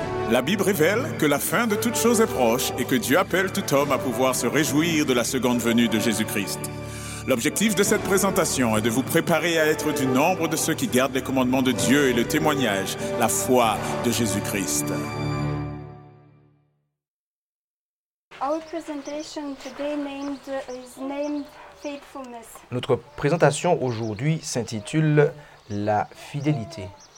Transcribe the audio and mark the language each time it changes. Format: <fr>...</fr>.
<fr>La Bible révèle que la fin de toutes choses est proche et que Dieu appelle tout homme à pouvoir se réjouir de la seconde venue de Jésus-Christ. L'objectif de cette présentation est de vous préparer à être du nombre de ceux qui gardent les commandements de Dieu et le témoignage, la foi de Jésus-Christ.</fr> <en>Our presentation today is named Faithfulness.</en> <fr>Notre présentation aujourd'hui s'intitule La fidélité.</fr>